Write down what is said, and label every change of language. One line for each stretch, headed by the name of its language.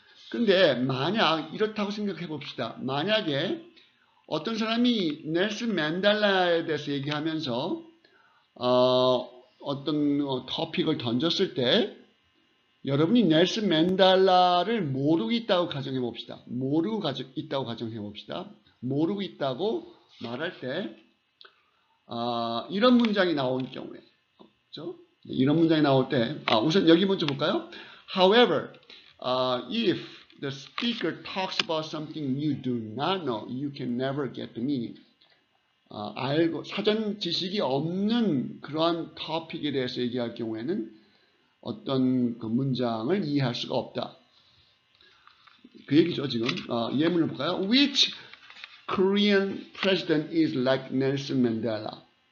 Korean: 근데 만약 이렇다고 생각해 봅시다. 만약에 어떤 사람이 넬슨 맨델라에 대해서 얘기하면서 어떤 토픽을 던졌을 때 여러분이 넬슨 맨델라를 모르고 있다고 가정해 봅시다. 모르고 있다고 말할 때 이런 문장이 나온 경우에 그렇죠? 이런 문장이 나올 때, 우선 여기 먼저 볼까요?
English: However, if the speaker talks about something you do not know, you can never get the meaning.
Korean: 사전 지식이 없는 그러한 topic에 대해서 얘기할 경우에는 어떤 그 문장을 이해할 수가 없다. 그 얘기죠, 지금. 예문을 볼까요?
English: Which Korean president is like Nelson Mandela?